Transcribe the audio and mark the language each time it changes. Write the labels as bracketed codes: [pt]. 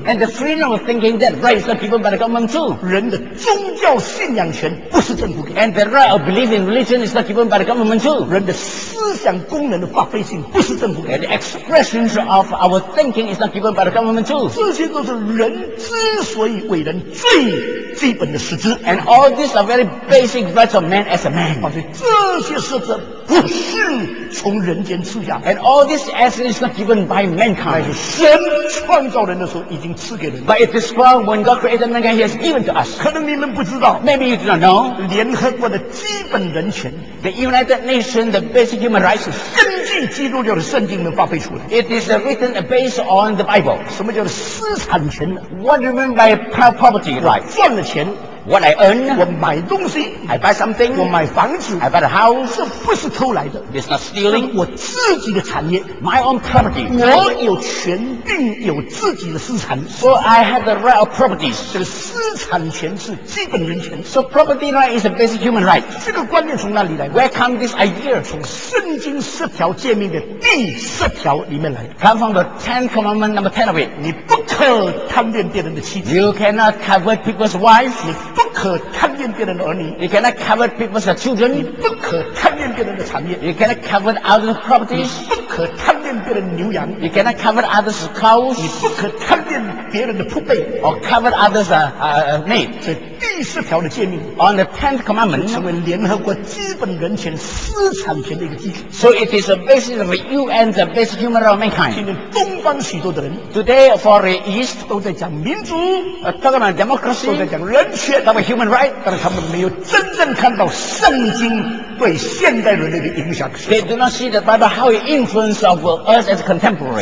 [en] And the freedom of thinking that right is not given by the government too [zh] 人的宗教信仰权不是政府给 [en] And the right of believing religion is not given by the government too [zh] 人的思想功能的发挥性不是政府给 [en] The expressions of our thinking is not given by the government too [zh] 这些都是人之所以为人最基本的实质 [en] And all these are very basic rights of man as a man [zh] 这些实质不是从人间赐下 [en] And all these essence is not given by mankind [zh] 是神创造人的时候已经赐给人 [en] But it is from when God created mankind He has given to us [zh] 可能你们不知道 [en] Maybe you do not know [zh] 联合国的基本人权 [en] The United Nations, the basic human rights [zh] 是根据基督教的圣经能发挥出来 [en] It is written based on the Bible [zh] 什么叫做私产权 [en] What do you mean by property rights [zh] 赚了钱 [en] What I earn? [zh] 我买东西。 [en] I buy something. [zh] 我买房子。 [en] I buy a house. [zh] 这不是偷来的。 [en] It's not stealing. [zh] 我自己的产业。 [en] My own property. [zh] 我有权并有自己的私产。 [en] So I have the right of properties. [zh] 这个私产权是基本人权。 [en] So property right is a basic human right. [zh] 这个观念从哪里来的？ [en] Where come this idea? [zh] 从圣经十条诫命的第十条里面来的。 [en] Come from the Ten Commandment number 10 of it. [zh] 你不可贪恋别人的妻子。 [en] You cannot covet people's wives. [zh] 你不可贪恋别人的儿女。 [en] You cannot covet people's children. [zh] 你不可贪恋别人的产业。 [en] You cannot covet other properties. [zh] 你不可贪恋别人的牛羊。 [en] You cannot covet other's cows. [zh] 你不可贪恋别人的仆婢。 [en] Or covet other's maid. [zh] 这第十条的诫命。 [en] On the Tenth Commandment. [zh] 成为联合国基本人权私产权的一个基础。 [en] So it is a basis of UN, the basic human right of mankind. [zh] 东方许多的人 [en] today for the east [zh] 都在讲民主 [en] talk about democracy [zh] 都在讲人权 [en] talk about human right [zh] 但是他们没有真正看到圣经对现代人类的影响 [en] they do not see the Bible how it influences of us as contemporary